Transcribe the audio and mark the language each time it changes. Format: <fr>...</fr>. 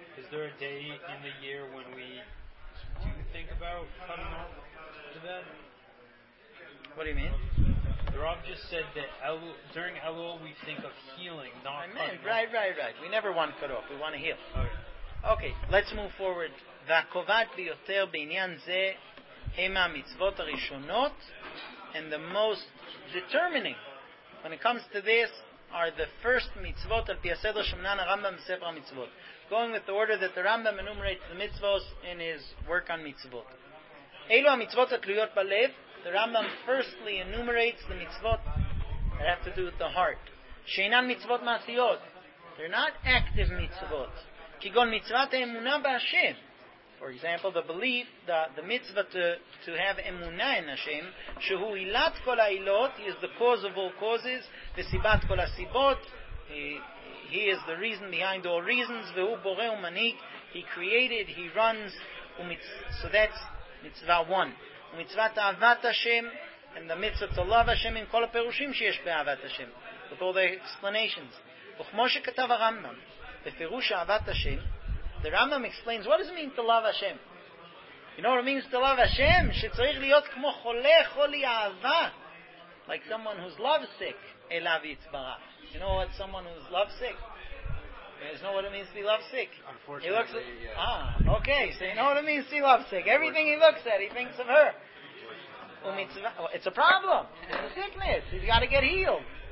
<en>Is there a day in the year when we do think about cutting off to that? What do you mean? The Rav just said that during Elul we think of healing, not cutting off. Right, right, right. We never want to cut off. We want to heal. Okay. Okay, let's move forward.</en> <he>והקובעת ביותר בעניין זה הם המצוות הראשונות,</he> <en>and the most determining when it comes to this are the first mitzvot</en> <he>על פי הסדר שמנן הרמב״ם בספר המצוות.</he> <en>Going with the order that the Rambam enumerates the mitzvot in his work on mitzvot.</en> <he>אלו המצוות התלויות בלב,</he> <en>the Rambam firstly enumerates the mitzvot that have to do with the heart.</en> <he>שאינן מצוות מעשיות,</he> <en>they're not active mitzvot.</en> <he>כגון מצוות האמונה בהשם.</he> <en>For example, the belief, the mitzvah to have emunah in Hashem,</en> <he>shehu ilat kol ha'ilot,</he> <en>he is the cause of all causes,</en> <he>v'sibat kol ha'sibot,</he> <en>he is the reason behind all reasons,</en> <he>v'hu boreh u'manik,</he> <en>he created, he runs, so that's mitzvah one. Mitzvah ahavat Hashem, and the mitzvah to love Hashem,</en> <he>in kol ha'perushim sheyesh be'ahavat Hashem,</he> <en>with all the explanations.</en> <he>V'chmo shekatav ha'rambam, v'firush ahavat Hashem,</he> <en>the Rambam explains, what does it mean to love Hashem? You know what it means to love Hashem?</en> <he>שצריך להיות כמו חולה חולי אהבה.</he> <en>Like someone who's lovesick.</en> <he>אליו יצברה.</he> <en>You know what someone who's lovesick? You guys know what it means to be lovesick? Unfortunately, looks, yeah. Ah, okay. So you know what it means to be lovesick. Everything he looks at, he thinks of her. It's a problem. It's a sickness. He's got to get healed.</en>